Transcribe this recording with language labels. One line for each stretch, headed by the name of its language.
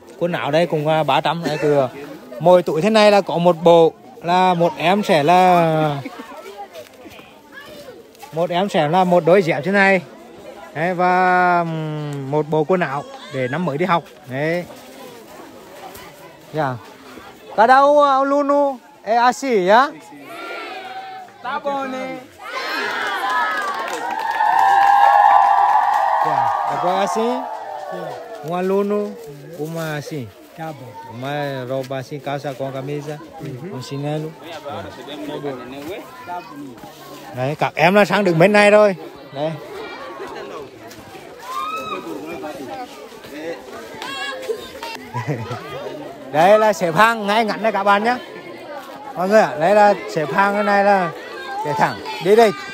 Vietnamese: Quần áo đây cùng 300 đấy, từ mỗi túi thế này là có một bộ, là một em sẽ là một đôi dép thế này. Đấy, và một bộ quần áo để năm mới đi học. Đấy. Dạ.
Portuguese: Tá dando aluno é assim, já? Tá bom, né? Dạ. Agora assim. Um aluno, uma assim. Tá bom. Uma roupa assim, calça com camisa, um chinelo.
Vietnamese: Đấy, các em là sang được bên này rồi. Đấy. Đây là xếp hàng ngay ngắn đây các bạn nhé mọi người ạ. Đây là xếp hàng cái này là để thẳng đi đây.